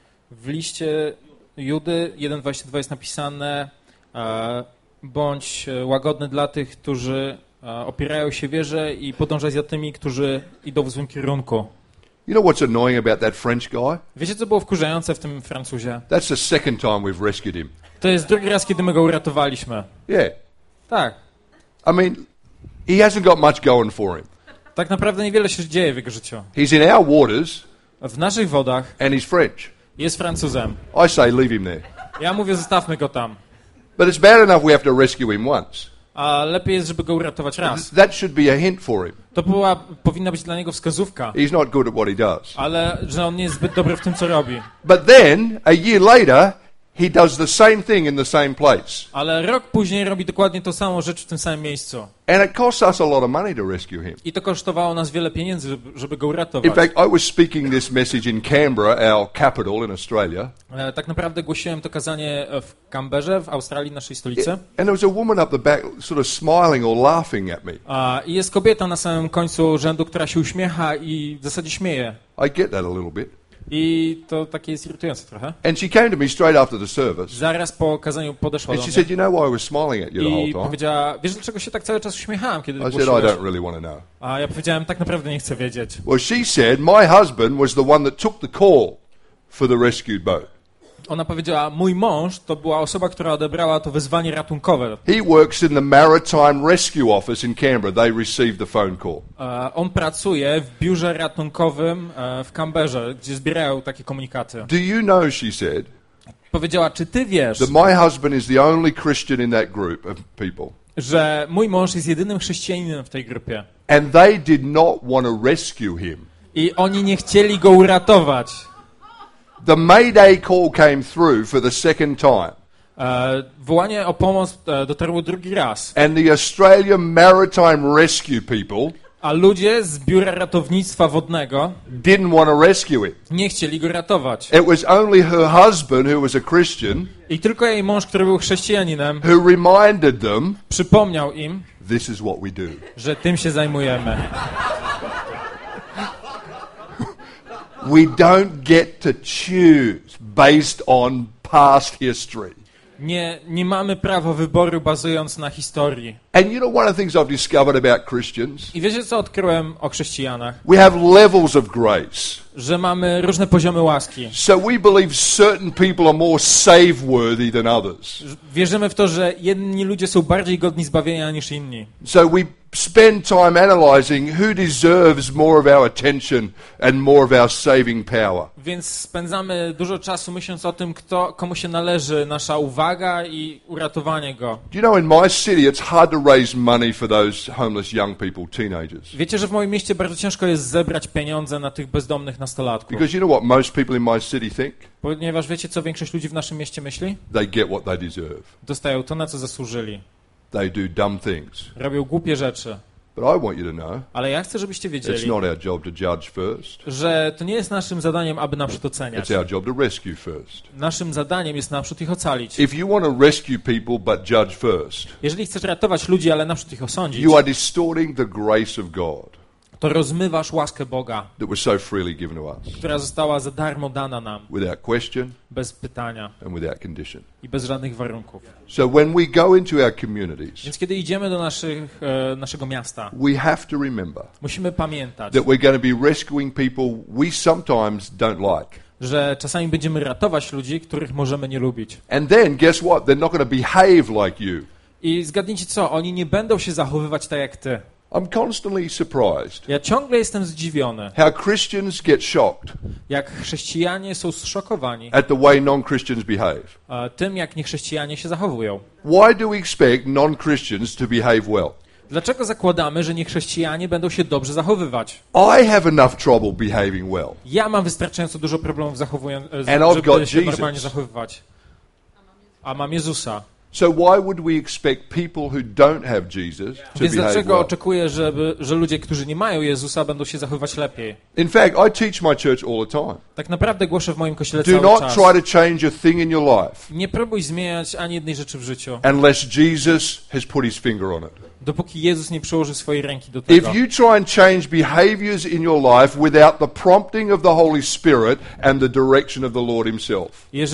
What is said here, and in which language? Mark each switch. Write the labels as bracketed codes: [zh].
[pl] W liście Judy 1:22 jest napisane. Bądź łagodny dla tych, którzy opierają się wierze i podążać za tymi, którzy idą w złym kierunku. [en] You know what's annoying about that French guy? [pl] Wiecie, co było wkurzające w tym Francuzie? [en] That's the second time we've rescued him. [pl] To jest drugi raz, kiedy my go uratowaliśmy. [en] Yeah. [pl] Tak. [en] I mean, he hasn't got much going for him. [pl] Tak naprawdę niewiele się dzieje w jego życiu. [en] He's in our waters. [pl] W naszych wodach. [en] And he's French. [pl] Jest Francuzem. [en] I say leave him there. [pl] Ja mówię, zostawmy go tam. [en] But it's bad enough we have to rescue him once. [pl] A lepiej jest, żeby go uratować raz. [en] That should be a hint for him. [pl] To była, powinna być dla niego wskazówka. [en] He's not good at what he does. [pl] Ale że on nie jest zbyt dobry w tym, co robi. [en] But then, a year later, He does the same thing in the same place. [pl] Ale rok później robi dokładnie tą samą rzecz w tym samym miejscu. [en] And it costs us a lot of money to rescue him. [pl] I to kosztowało nas wiele pieniędzy, żeby go uratować. [en] In fact, I was speaking this message in Canberra, our capital in Australia. [pl] Tak naprawdę głosiłem to kazanie w Canberrze, w Australii, naszej stolicy. [en] And there was a woman up the back, sort of smiling or laughing at me. [pl] I jest kobieta na samym końcu rzędu, która się uśmiecha i w zasadzie śmieje. [en] I get that a little bit. [pl] I to takie jest irytujące trochę. [en] And she came to me straight after the service. [pl] Zaraz po kazaniu podeszła [en] and [pl] do mnie. [en] She said, you know why I was smiling at you the I whole time? [pl] Powiedziała, wiesz dlaczego się tak cały czas uśmiechałam, kiedy [en] I said, I don't really want to know. [pl] A ja powiedziałem, tak naprawdę nie chcę wiedzieć. [en] Well, she said, my husband was the one that took the call for the rescued boat. [pl] Ona powiedziała, mój mąż to była osoba, która odebrała to wezwanie ratunkowe. [en] He works in the Maritime Rescue Office in Canberra. They received the phone call. [pl] On pracuje w biurze ratunkowym w Canberrze, gdzie zbierają takie komunikaty. [en] Do you know, she said, [pl] powiedziała, czy ty wiesz, [en] that my husband is the only Christian in that group of people. [pl] Że mój mąż jest jedynym chrześcijaninem w tej grupie. [en] And they did not want to rescue him. [pl] I oni nie chcieli go uratować. [en] The Mayday call came through for the second time. [pl] Wołanie o pomoc dotarło drugi raz. [en] And the Australian Maritime Rescue people, [pl] a ludzie z biura ratownictwa wodnego, [en] didn't want to rescue it. [pl] Nie chcieli go ratować. [en] It was only her husband who was a Christian. [pl] I tylko jej mąż, który był chrześcijaninem, [en] who reminded them, [pl] przypomniał im, [en] this is what we do. [pl] Że tym się zajmujemy. [en] We don't get to choose based on past history. [pl] Nie mamy prawa wyboru bazując na historii. [en] And you know one of the things I've discovered about Christians? [pl] I wiecie co odkryłem o chrześcijanach? [en] We have levels of grace. [pl] Że mamy różne poziomy łaski. [en] So we believe certain people are more save worthy than others. [pl] Wierzymy w to, że jedni ludzie są bardziej godni zbawienia niż inni. [en] So we spend time analyzing who deserves more of our attention and more of our saving power. [pl] Więc spędzamy dużo czasu myśląc o tym, kto komu się należy nasza uwaga i uratowanie go. [en] Do you know in my city it's hard to raise money for those homeless young people, teenagers. [pl] Wiecie, że w moim mieście bardzo ciężko jest zebrać pieniądze na tych bezdomnych nastolatków. [en] Because you know what most people in my city think? [pl] Ponieważ wiecie, co większość ludzi w naszym mieście myśli? [en] They get what they deserve. [pl] Dostają to, na co zasłużyli. [en] They do dumb things. [pl] Robią głupie rzeczy. [en] But I want you to know, [pl] ale ja chcę, żebyście wiedzieli, [en] it's not our job to judge first, [pl] że to nie jest naszym zadaniem, aby naprzód oceniać. [en] It's our job to rescue first. [pl] Naszym zadaniem jest naprzód ich ocalić. [en] If you want to rescue people, but judge first, [pl] jeżeli chcesz ratować ludzi, ale naprzód ich osądzić, [en] you are distorting the grace of God, [pl] to rozmywasz łaskę Boga, [en] that was so freely given to us, [pl] która została za darmo dana nam, [en] without question, [pl] bez pytania, [en] and without condition, [pl] i bez żadnych warunków. [en] So when we go into our communities, [pl] więc kiedy idziemy do naszego miasta, [en] we have to remember, [pl] musimy pamiętać, [en] that we're going to be rescuing people we sometimes don't like, [pl] że czasami będziemy ratować ludzi, których możemy nie lubić. [en] And then guess what? They're not going to behave like you. [pl] I zgadnijcie co? Oni nie będą się zachowywać tak jak ty. [en] I'm constantly surprised. [pl] Ja ciągle jestem zdziwiony. [en] How Christians get shocked. [pl] Jak chrześcijanie są zszokowani. [en] At the way non-Christians behave. [pl] Tym jak niechrześcijanie się zachowują. [en] Why do we expect non-Christians to behave well? [pl] Dlaczego zakładamy, że niechrześcijanie będą się dobrze zachowywać? [en] I have enough trouble behaving well. [pl] Ja mam wystarczająco dużo problemów żeby się normalnie zachowywać. A mam Jezusa. [en] So why would we expect people who don't have Jesus to behave well? [pl] Więc dlaczego oczekuję, że ludzie, którzy nie mają Jezusa, będą się zachowywać lepiej? [en] In fact, I teach my church all the time. [pl] Tak naprawdę głoszę w moim kościele cały czas. [en] Do not try to change a thing in your life. [pl] Nie próbuj zmieniać ani jednej rzeczy w życiu. [en] Unless Jesus has put his finger on it. [pl] Dopóki Jezus nie przyłoży swojej ręki do tego. [en] If you try and change behaviors in your life without the prompting of the Holy Spirit and the direction of the Lord himself.